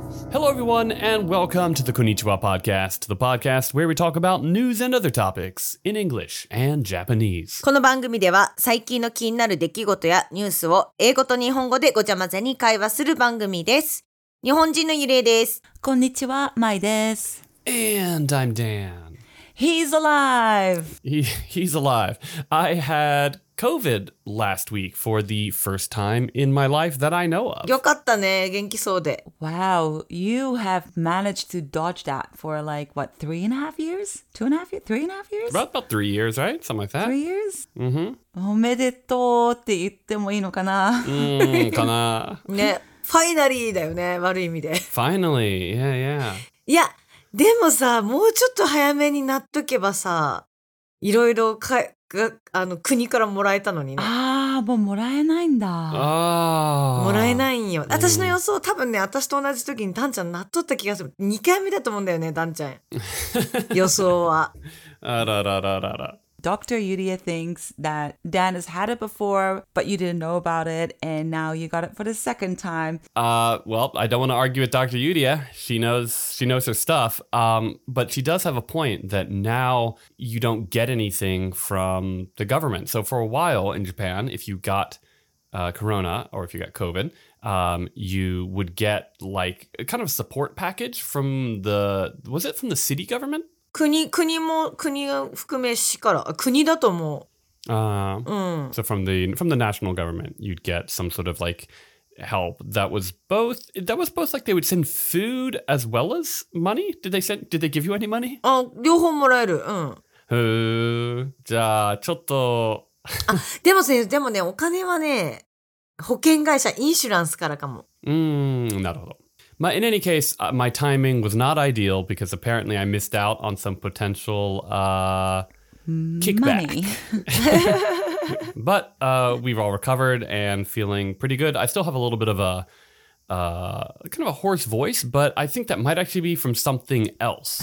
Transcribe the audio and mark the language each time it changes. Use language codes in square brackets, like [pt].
[en] Hello, everyone, and welcome to the Konnichiwa Podcast, the podcast where we talk about news and other topics in English and Japanese. [ja] この番組では最近の気になる出来事やニュースを英語と日本語でごちゃ混ぜに会話する番組です。日本人のゆれいです。こんにちは、まいです。 [en] And I'm Dan. He's alive! He's alive. I had COVID last week for the first time in my life that I know of. [ja] よかったね、元気そうで。 [en] Wow, you have managed to dodge that for like, what, 3.5 years? 2.5 years? 3.5 years? About 3 years, right? Something like that. 3 years? Mm-hmm. [ja] おめでとうって言ってもいいのかな? かな。ね。 [en] Finally [ja] だよね、悪い意味で。 Finally, yeah, yeah. いや、でもさ、もうちょっと早めになっとけばさ、いろいろかが、あの、国からもらえたのにね。ああ、もうもらえないんだ。ああ。もらえないんよ。私の予想、多分ね、私と同じ時にダンちゃんなっとった気がする。 2回目だと思うんだよね、ダンちゃん。予想は。あららららら。 [en] Dr. Yuria thinks that Dan has had it before, but you didn't know about it, and now you got it for the second time. Well, I don't want to argue with Dr. Yuria. She knows her stuff. But she does have a point that now you don't get anything from the government. So for a while in Japan, if you got corona or if you got COVID, you would get like a kind of support package from the city government? [ja] 国も含めしから、国だと思う。 [en] So from the national government, you'd get some sort of like help that was both like they would send food as well as money? Did they give you any money? [ja] あ、両方もらえる。うん。へー。じゃあ、ちょっと。あ、でもね、でもね、お金はね、保険会社、インシュランスからかも。なるほど。 [en] But in any case, my timing was not ideal because apparently I missed out on some potential kickback. But we've all recovered and feeling pretty good. I still have a little bit of a kind of a hoarse voice, but I think that might actually be from something else.